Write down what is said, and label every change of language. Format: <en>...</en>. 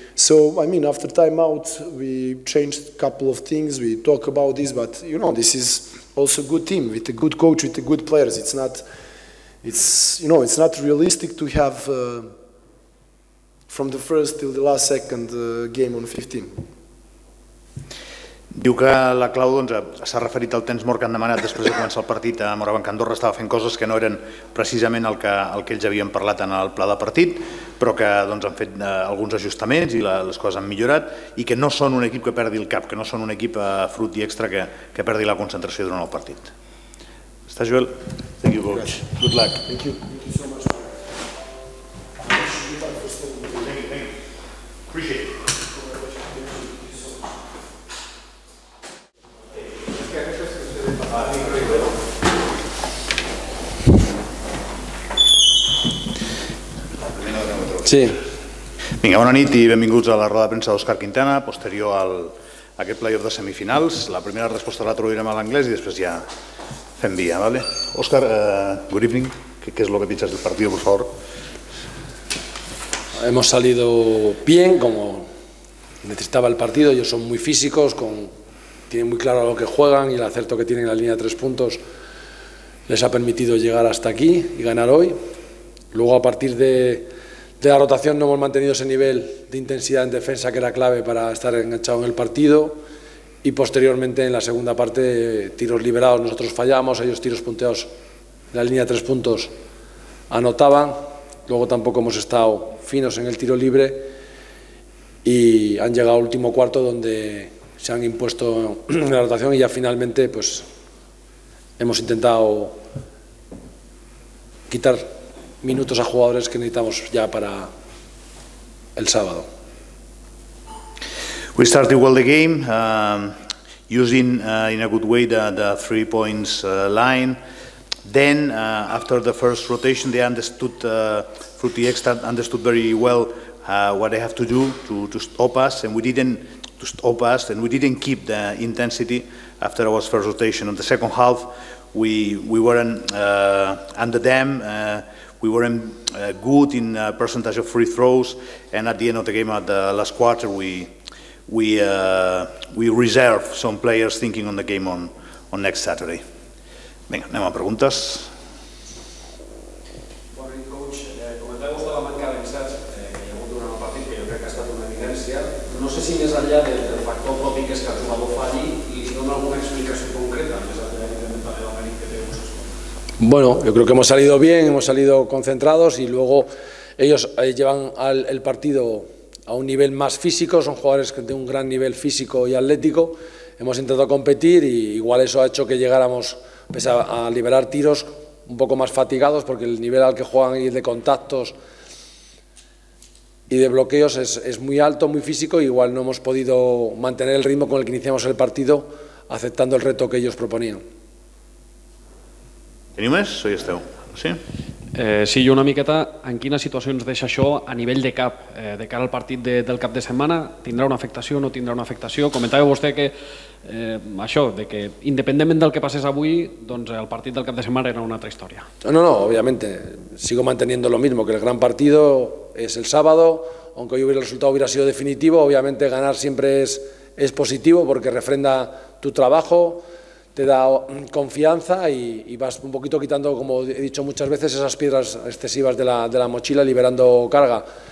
<en>So, I mean, after timeout, we changed a couple of things, we talk about this, but, you know, this is also a good team, with a good coach, with the good players. It's not realistic to have from the first till the last second game on 15.</en> <ca>Diu que la clau, doncs, s'ha referit al temps mort que han demanat després de començar el partit a Moravan, que Andorra estava fent coses que no eren precisament el que ells havien parlat en el pla de partit, però que, doncs, han fet alguns ajustaments i les coses han millorat, i que no són un equip que perdi el cap, que no són un equip Frut i Extra que perdi la concentració durant el partit. Està, Joel?</ca> <en>Thank you, coach. Good luck. Thank you. Thank you so much. Appreciate it.</en> <ca>Sí. Vinga, bona nit i benvinguts a la roda de premsa d'Òscar Quintana, posterior a aquest playoff de semifinals. La primera resposta la traduirem a l'anglès i després ja Fem via, vale? Oscar,</ca> <en>good evening.</en> <es>¿Qué es lo que piensas del partido, por favor? Hemos salido bien, como necesitaba el partido. Ellos son muy físicos, tienen muy claro lo que juegan y el acierto que tienen en la línea de tres puntos les ha permitido llegar hasta aquí y ganar hoy. Luego, a partir de la rotación, no hemos mantenido ese nivel de intensidad en defensa que era clave para estar enganchado en el partido. Y posteriormente, en la segunda parte, tiros liberados nosotros fallamos, ellos tiros punteados en la línea de tres puntos anotaban. Luego tampoco hemos estado finos en el tiro libre y han llegado al último cuarto donde se han impuesto en la rotación y ya finalmente pues hemos intentado quitar minutos a jugadores que necesitamos ya para el sábado.</es> <en>We started well the game using in a good way the three points line. Then, after the first rotation, they understood, Fruity Extra understood very well what they have to do to stop us, and we didn't keep the intensity after our first rotation. In the second half, we weren't under them, we weren't good in percentage of free throws, and at the end of the game, at the last quarter, we reserved some players thinking on the game on next Saturday.</en> <ca>Venga, anem a preguntes. Bona nit, coach. Comentem vostè la manca d'encerts que hi ha hagut durant el partit, que jo crec que ha estat una evidència. No sé si més enllà del factor propi que és que el jugador falli i si dona alguna explicació concreta més enllà de la manca d'encerts que té vostè.</ca> <es>Bueno, yo creo que hemos salido bien, hemos salido concentrados y luego ellos llevan el partido a un nivel más físico, son jugadores que tienen un gran nivel físico y atlético. Hemos intentado competir y igual eso ha hecho que llegáramos, pese a liberar tiros, un poco más fatigados, porque el nivel al que juegan y de contactos y de bloqueos es muy alto, muy físico, y igual no hemos podido mantener el ritmo con el que iniciamos el partido, aceptando el reto que ellos proponían.</es> <ca>¿Teniu més? Soy Esteu. Sí. Sí, jo una miqueta, en quines situacions deixa això a nivell de cap, de cara al partit del cap de setmana, tindrà una afectació o no tindrà una afectació? Comentava vostè que això, de que independentment del que passés avui, doncs el partit del cap de setmana era una altra història.</ca> <es>No, obviamente, sigo manteniendo lo mismo, que el gran partido es el sábado, aunque hoy el resultado hubiera sido definitivo, obviamente ganar siempre es positivo porque refrenda tu trabajo, te da confianza y vas un poquito quitando, como he dicho muchas veces, esas piedras excesivas de la mochila, liberando carga.</es>